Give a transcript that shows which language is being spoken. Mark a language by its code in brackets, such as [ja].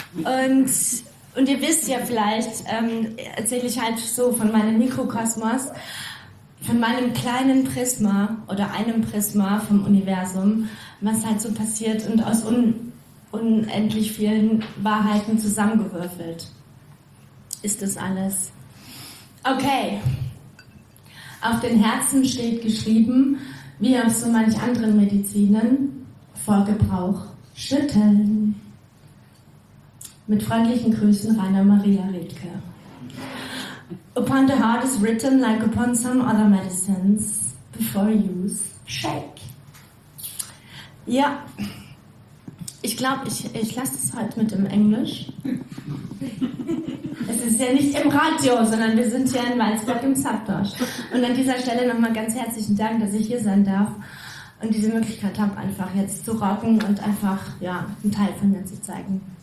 [de] Und ihr wisst ja vielleicht, erzähle ich halt so von meinem Mikrokosmos, von meinem kleinen Prisma oder einem Prisma vom Universum, was halt so passiert und aus unendlich vielen Wahrheiten zusammengewürfelt ist das alles. Okay, auf den Herzen steht geschrieben, wie auf so manch anderen Medizinen, vor Gebrauch schütteln. Mit freundlichen Grüßen, Rainer Maria Rilke. [en] Upon the heart is written like upon some other medicines, before use, shake. [de] Ja, ich glaube, ich lasse es halt mit dem Englisch. Es ist ja nicht im Radio, sondern wir sind hier in Wandsberg im Subdorsch. Und an dieser Stelle nochmal ganz herzlichen Dank, dass ich hier sein darf und diese Möglichkeit habe, einfach jetzt zu rocken und einfach ja, einen Teil von mir zu zeigen.